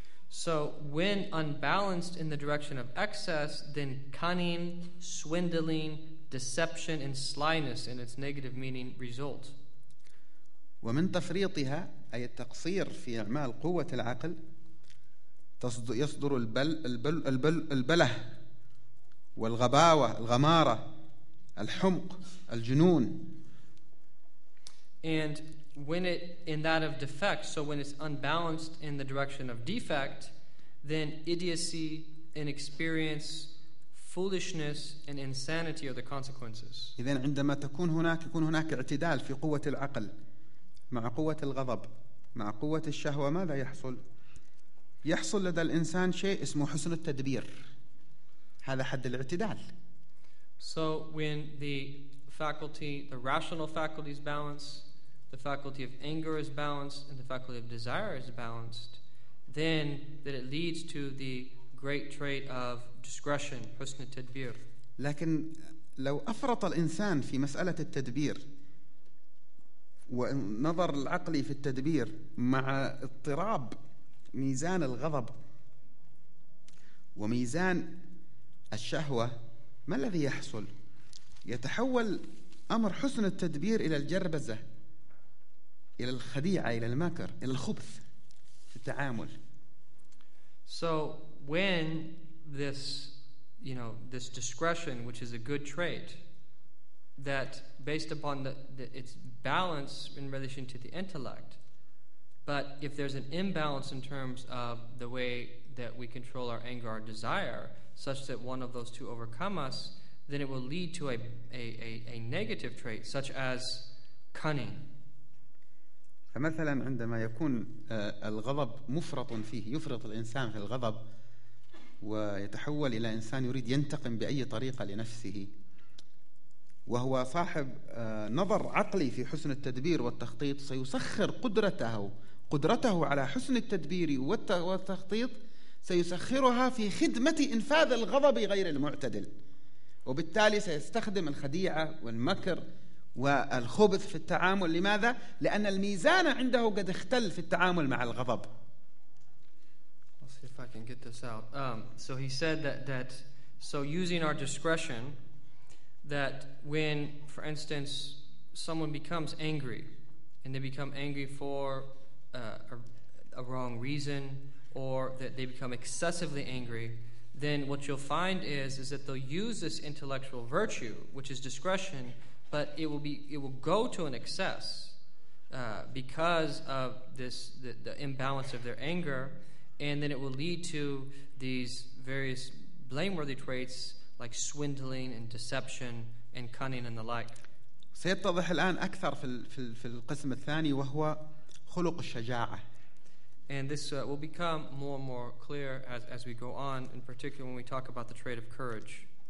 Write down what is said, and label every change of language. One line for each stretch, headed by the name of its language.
English: So when unbalanced in the direction of excess, then cunning, swindling, deception, and slyness in its negative meaning result.
Arabic: ومن تفريطها أي التقصير في أعمال قوة العقل يصدر البله والغباوة الغمارة الحمق الجنون.
English: And when it in that of defect, so when it's unbalanced in the direction of defect, then idiocy, inexperience, foolishness, and insanity are the consequences.
Arabic: إذن عندما تكون هناك يكون هناك اعتدال في قوة العقل مع قوة الغضب مع قوة الشهوة ماذا يحصل؟ يحصل لدى الإنسان شيء اسمه حسن التدبير. هذا حد الاعتدال.
English: So when the faculty, the rational faculty is balanced, the faculty of anger is balanced, and the faculty of desire is balanced, then that it leads to the great trait of discretion,
Arabic: حسن التدبير. لكن لو أفرط الإنسان في مسألة التدبير ونظر العقلي في التدبير مع اضطراب ميزان الغضب وميزان الشهوة ما الذي يحصل؟ يتحول أمر حسن التدبير إلى الجربزة إلى الخديعة إلى المكر إلى الخبث في التعامل.
English: So when this, you know, this discretion, which is a good trait, that based upon the its balance in relation to the intellect, but if there's an imbalance in terms of the way that we control our anger, our desire, such that one of those two overcome us, then it will lead to a negative trait, such as cunning.
Arabic: فمثلا عندما يكون الغضب مفرط فيه يفرط الإنسان في الغضب ويتحول إلى إنسان يريد ينتقم بأي طريقة لنفسه وهو صاحب نظر عقلي في حسن التدبير والتخطيط سيسخر قدرته على حسن التدبير والتخطيط سيسخرها في خدمة إنفاذ الغضب غير المعتدل وبالتالي سيستخدم الخديعة والمكر والخبث في التعامل لماذا؟ لأن الميزان عنده قد اختل في التعامل مع الغضب.
English: Let's see if I can get this out. So he said that so using our discretion, that when, for instance, someone becomes angry, and they become angry for a wrong reason, or that they become excessively angry, then what you'll find is that they'll use this intellectual virtue, which is discretion. But it will go to an excess because of this the imbalance of their anger, and then it will lead to these various blameworthy traits like swindling and deception and cunning and the like.
Arabic: سيتضح الآن أكثر في القسم الثاني وهو خلق الشجاعة.
English: And this will become more and more clear as we go on, in particular when we talk about the trait of courage.